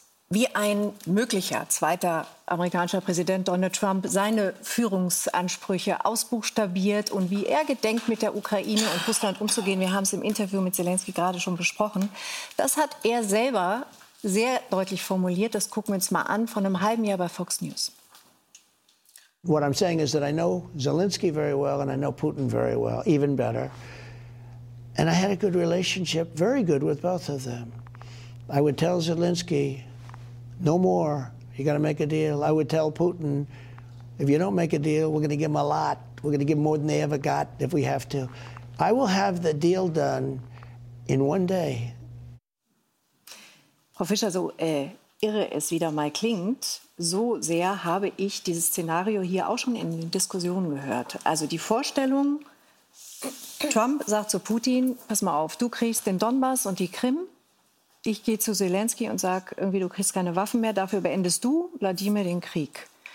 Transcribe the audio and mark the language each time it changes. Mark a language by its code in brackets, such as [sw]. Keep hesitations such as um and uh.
[de] wie ein möglicher zweiter amerikanischer Präsident Donald Trump seine Führungsansprüche ausbuchstabiert und wie er gedenkt, mit der Ukraine und Russland umzugehen. Wir haben es im Interview mit Zelensky gerade schon besprochen. Das hat er selber sehr deutlich formuliert. Das gucken wir uns mal an von einem halben Jahr bei Fox News. [en] What I'm saying is that I know Zelensky very well and I know Putin very well, even better. And I had a good relationship, very good with both of them. I would tell Zelensky no more. You got to make a deal. I would tell Putin, if you don't make a deal, we're going to give him a lot. We're going to give him more than they ever got if we have to. I will have the deal done in one day. [de] Frau Fischer, so äh, irre es wieder mal klingt, so sehr habe ich dieses Szenario hier auch schon in den Diskussionen gehört. Also die Vorstellung, Trump sagt zu so Putin, pass mal auf, du kriegst den Donbass und die Krim ich gehe zu Zelensky und sage, irgendwie, du kriegst keine Waffen mehr, dafür beendest du, Wladimir, den Krieg.